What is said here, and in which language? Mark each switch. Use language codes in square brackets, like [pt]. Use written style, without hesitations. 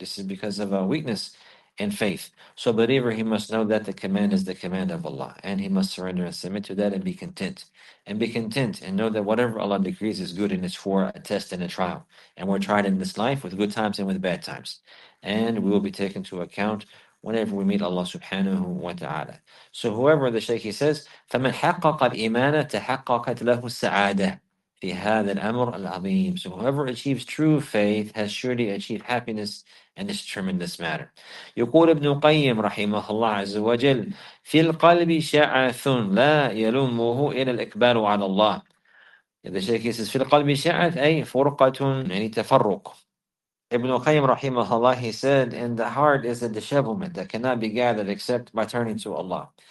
[en] This is because of a weakness in faith. So believer, he must know that the command is the command of Allah, and he must surrender and submit to that and be content. And be content and know that whatever Allah decrees is good, and it's for a test and a trial. And we're tried in this life with good times and with bad times. And we will be taken to account whenever we meet Allah subhanahu wa ta'ala. So whoever the shaykh, he says, [ar] فَمَنْ حَقَّقَ الْإِيمَانَ تَحَقَّقَتْ لَهُ السَّعَادَةِ فِي هَذَا الْأَمْرِ الْعَظِيمِ. [en] So whoever achieves true faith has surely achieved happiness in this tremendous matter. [ar] يقول ابن قيم رحمه الله عز وجل في القلب شعث لا يلمه إلا الإقبال على الله. [en] The shaykh, he says, [ar] في القلب شعث أي فرقة يعني تفرق. [en] Ibn Qayyim rahimahullah, he said, in the heart is a dishevelment that cannot be gathered except by turning to Allah.